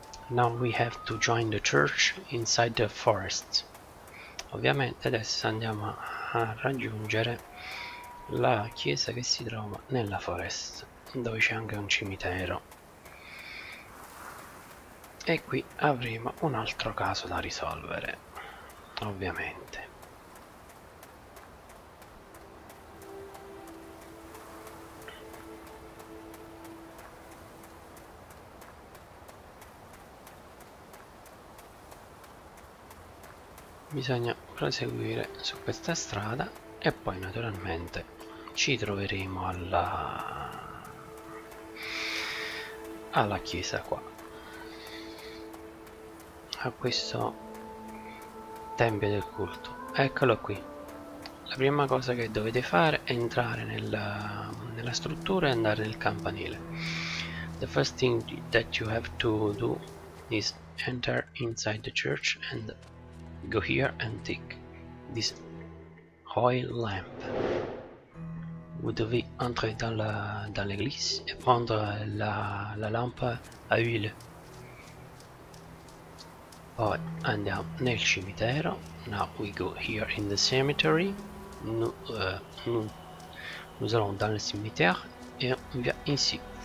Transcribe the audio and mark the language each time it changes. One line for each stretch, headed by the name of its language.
English: Now we have to join the church inside the forest.
Italian: Ovviamente adesso andiamo a raggiungere la chiesa che si trova nella foresta, dove c'è anche un cimitero. E qui avremo un altro caso da risolvere. Ovviamente. Bisogna proseguire su questa strada e poi naturalmente ci troveremo alla chiesa qua, a questo tempio del culto. Eccolo qui. La prima cosa che dovete fare è entrare nella struttura e andare nel campanile.
English: The first thing that you have to do is enter inside the church and go here and take this oil lamp.
French: Vous devez entrer dans l'église et prendre la lampe à huile.
Italian: Poi andiamo nel cimitero.
English: Now we go here in the cemetery.
French: Nous allons dans le cimetière et on vient ici.